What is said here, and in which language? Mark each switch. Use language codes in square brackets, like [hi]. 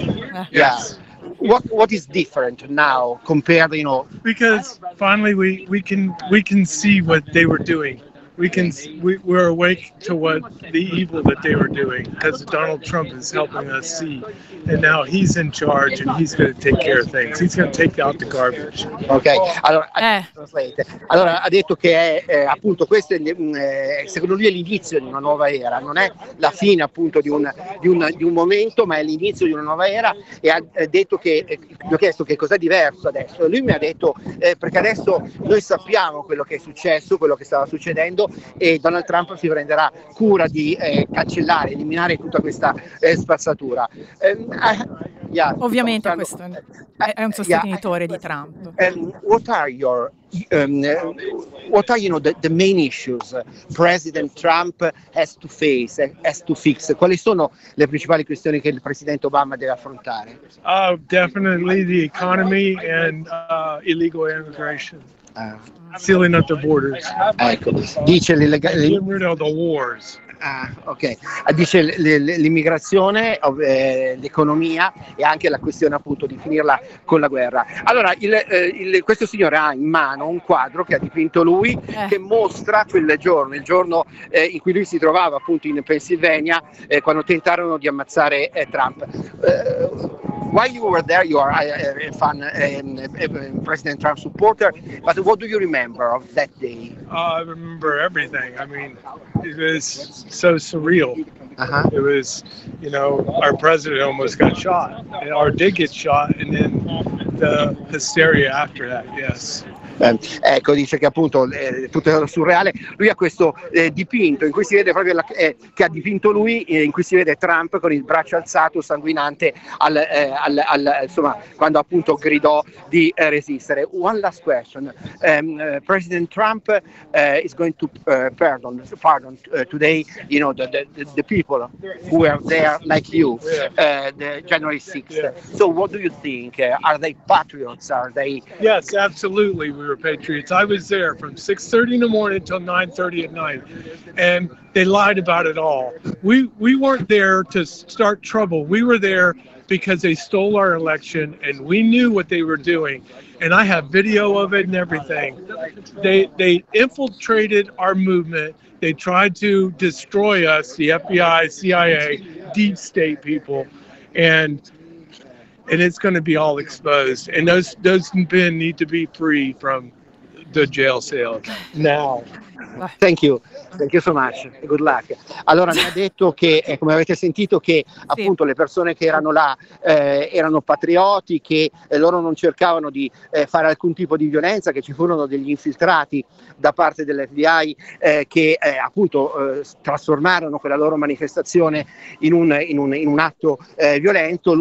[en] Yeah. Yes. What is different now compared, you know? Because finally we can see what they were doing. We're awake to what the evil that they were doing, because Donald Trump is helping us see, and now he's in charge and he's going to take care of things. He's going to take out the garbage. Okay. [it] Allora ha detto che è appunto questo è, secondo lui è l'inizio di una nuova era, non è la fine appunto di un momento, ma è l'inizio di una nuova era. E ha detto che gli ho chiesto che cos'è diverso adesso. Lui mi ha detto perché adesso noi sappiamo quello che è successo, quello che stava succedendo, e Donald Trump si prenderà cura di cancellare, eliminare tutta questa spazzatura. Yeah, ovviamente questo è un sostenitore di Trump. [en] What are you know the main issues President Trump has to face, has to fix? [it] Quali sono le principali questioni che il presidente Obama deve affrontare? [en] Definitely the economy and illegal immigration. Sealing up the borders. [it] Ecco, dice [en] getting rid of the wars. [it] Dice l'immigrazione, l'economia e anche la questione appunto di finirla con la guerra. Allora, questo signore ha in mano un quadro che ha dipinto lui, che mostra quel giorno, il giorno in cui lui si trovava appunto in Pennsylvania, quando tentarono di ammazzare Trump. [en] While you were there, you are a President Trump supporter, but what do you remember of that day? I remember everything. I mean, it was so surreal. Uh-huh. It was, you know, our president almost got shot, or did get shot, and then the hysteria after that, yes. [it] Ecco, dice che appunto tutto era surreale. Lui ha questo dipinto in cui si vede proprio che ha dipinto lui, in cui si vede Trump con il braccio alzato sanguinante insomma, quando appunto gridò di resistere. [en] One last question. President Trump is going to pardon today, you know, the people who are there like you, the January 6th. So what do you think? Are they patriots? Are they? Yes, absolutely. We were patriots. I was there from 6:30 in the morning till 9:30 at night, and they lied about it all. We weren't there to start trouble. We were there because they stole our election, and we knew what they were doing, and I have video of it and everything. They infiltrated our movement. They tried to destroy us, the FBI, CIA, deep state people, and it's going to be all exposed, and those men need to be free from the jail cells now. Thank you so much, good luck. [it] Allora, mi ha detto che, come avete sentito, che appunto le persone che erano là erano patrioti, che loro non cercavano di fare alcun tipo di violenza, che ci furono degli infiltrati da parte dell'FBI che appunto trasformarono quella loro manifestazione in un atto violento.